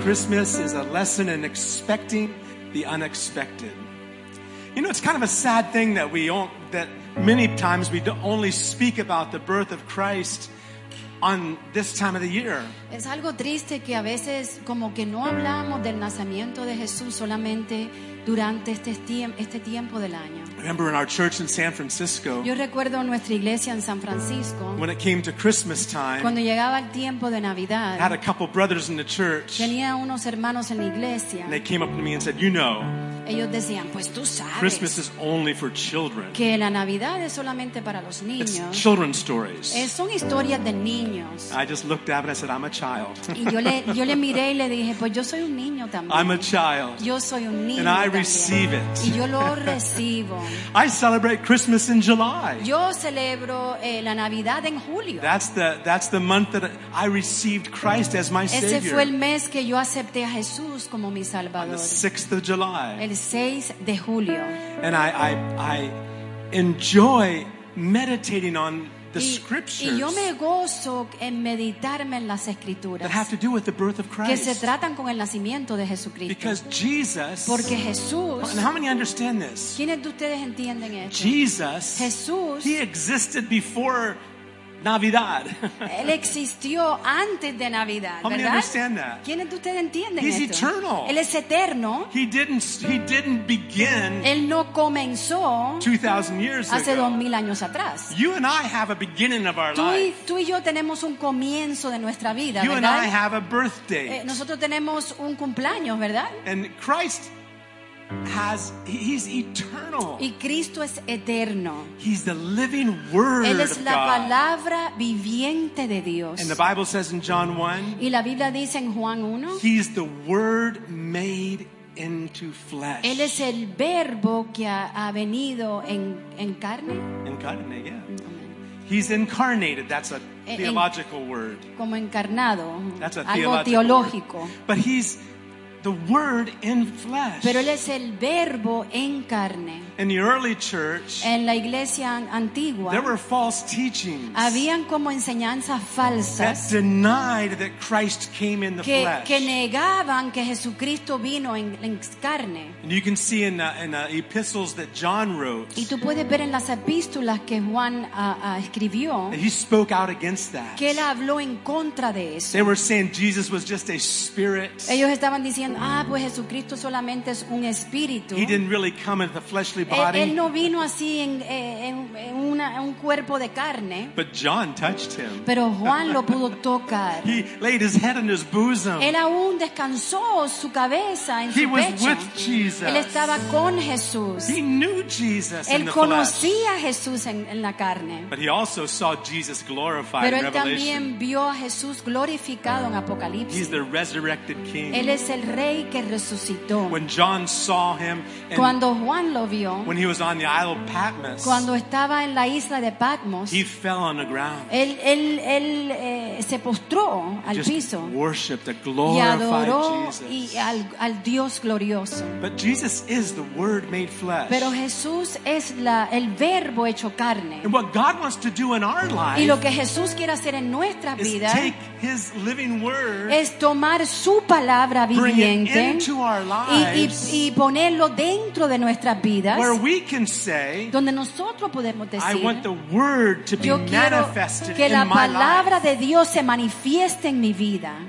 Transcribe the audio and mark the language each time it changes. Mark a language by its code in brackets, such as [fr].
[en] Christmas is a lesson in expecting the unexpected. You know, it's kind of a sad thing that many times we only speak about the birth of Christ on this time of the year. [es] Es algo triste que a veces como que no hablamos del nacimiento de Jesús solamente durante este tiempo del año. [en] Remember in our church in San Francisco. [es] Yo recuerdo nuestra iglesia en San Francisco. [en] When it came to Christmas time. [es] Cuando llegaba el tiempo de Navidad. [en] I had a couple brothers in the church. [es] Tenía unos hermanos en la iglesia. [en] And they came up to me and said, "You know." [es] Ellos decían, "Pues tú sabes." [en] Christmas is only for children. [es] Que la Navidad es solamente para los niños. [en] It's children's stories. [es] Son historias de niños. [en] I just looked at it and I said, "I'm a child." [es] Y yo le miré y le dije, "Pues yo soy un niño también." [en] I'm a child. [es] Yo soy un niño. [en] And I receive it. [es] Y yo lo recibo. [en] I celebrate Christmas in July. [es] Yo celebro la Navidad en julio. [en] That's the month that I received Christ as my Savior. [es] Ese fue el mes que yo acepté a Jesús como mi Salvador. [en] On the 6th of July. [es] El 6 de julio. [en] And I enjoy meditating on the scriptures. [es] Y yo me gozo en meditarme en las escrituras. [en] That have to do with the birth of Christ. [es] Que se tratan con el nacimiento de Jesucristo. [en] Because Jesus. [es] Porque Jesús. [en] And how many understand this? [es] ¿Quiénes de ustedes entienden esto? [en] Jesus. [es] Jesús. [en] He existed before Navidad. [es] Él existió antes de Navidad, ¿verdad? [en] How many understand that? [es] ¿Quiénes de ustedes entienden [en] He's [es] esto? [en] He's eternal. [es] Él es eterno. [en] He didn't begin. [es] Él no comenzó [en] 2000 years [es] hace 2000 años atrás. [en] You and I have a beginning of our life. [es] Tú y yo tenemos un comienzo de nuestra vida, [en] you [es] ¿verdad? [en] You and I have a birthday. [es] Nosotros tenemos un cumpleaños, ¿verdad? [en] And Christ he's eternal. [es] Y Cristo es eterno. [en] He's the living word. [es] Él es la [en] of God. [es] Palabra viviente de Dios. [en] And the Bible says in John 1. [es] Y la Biblia dice en Juan 1. [en] He's the word made into flesh. [es] Él es el verbo que ha venido en carne. [en] Incarnate, yeah. He's incarnated. That's a theological word. [es] Como encarnado. [en] That's a [es] algo teológico. [en] Word. But he's the word in flesh. [es] Pero él es el verbo en carne. [en] In the early church, [es] en la iglesia antigua, [en] there were false teachings. [es] Habían como enseñanzas falsas. [en] That denied that Christ came in the [es] que, [en] flesh. [es] Que negaban que Jesucristo vino en carne. [en] And you can see in the epistles that John wrote. [es] Y tú puedes ver en las epístolas que Juan escribió. [en] That he spoke out against that. [es] Que él habló en contra de eso. [en] They were saying Jesus was just a spirit. [es] Ellos estaban diciendo, pues Jesucristo solamente es un espíritu. [en] He didn't really come in the flesh. [es] Él no vino así en un cuerpo de carne. [en] But John touched him. [es] Pero Juan lo pudo tocar. [en] He laid his head in his bosom. [es] Él aún descansó su cabeza en [en] he [es] su pecho. [en] He was with Jesus. [es] Él estaba con Jesús. [en] He knew Jesus. [es] Él [en] in the [es] conocía [en] flesh. [es] A Jesús en la carne. [en] But he also saw Jesus glorified. [es] Pero él [en] in Revelation. [es] También vio a Jesús glorificado en Apocalipsis. [en] He's the resurrected King. [es] Él es el rey que resucitó. [en] When John saw him. [es] Cuando Juan lo vio. [en] When he was on the Isle of Patmos, [es] cuando estaba en la isla de Patmos, [en] he fell on the ground. [es] Él se postró al [en] just [es] piso. [en] Worshiped a glorified [es] y adoró [en] Jesus. [es] Y al Dios glorioso. [en] But Jesus is the Word made flesh. [es] Pero Jesús es el verbo hecho carne. [en] And what God wants to do in our life [es] y lo que Jesús quiere hacer en nuestras [en] is [es] vidas [en] take His living Word, [es] es tomar su palabra viviente, mente y ponerlo dentro de nuestras vidas, [en] where we can say, [es] donde nosotros podemos decir, [en] I want the word to be [es] yo quiero que la palabra de Dios se manifieste en mi vida.